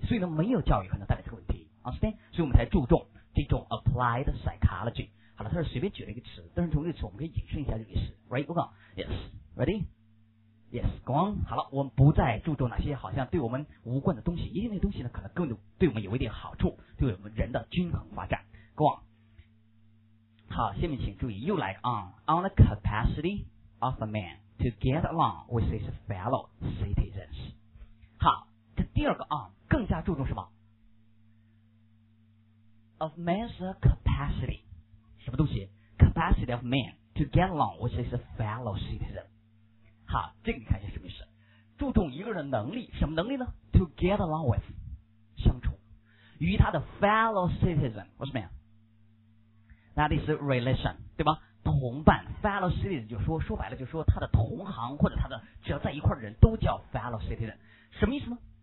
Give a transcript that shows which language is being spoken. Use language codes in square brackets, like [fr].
[zh] 所以呢，没有教育可能带来这个问题， [en] understand? [zh] 所以我们才注重这种 [en] applied psychology。 [zh] 好了，他是随便举了一个词，但是从这个词我们可以引申一下这个意思。 [en] Right, go on. Yes, ready? Yes, go on. [zh] 好了，我们不再注重那些好像对我们无关的东西，因为那东西呢可能更对我们有一点好处，对我们人的均衡发展。 Go on. 好，下面请注意，又来 [en] on the capacity of a man to get along with his fellow citizens. [zh] 好，这第二个 on 更加注重什么？ [en] Of man's capacity. [zh] 什么东西？ [en] Capacity of man to get along with his fellow citizens. [zh] 好，这个你看一下什么意思？注重一个人的能力，什么能力呢 ？ [en] To get along with, [zh] 相处，与他的 [en] fellow citizen, what's mean? That is relation, [zh] 对吧？同伴 fellow citizen 就说，说白了就说他的同行或者他的只要在一块的人都叫 fellow citizen, 什么意思呢？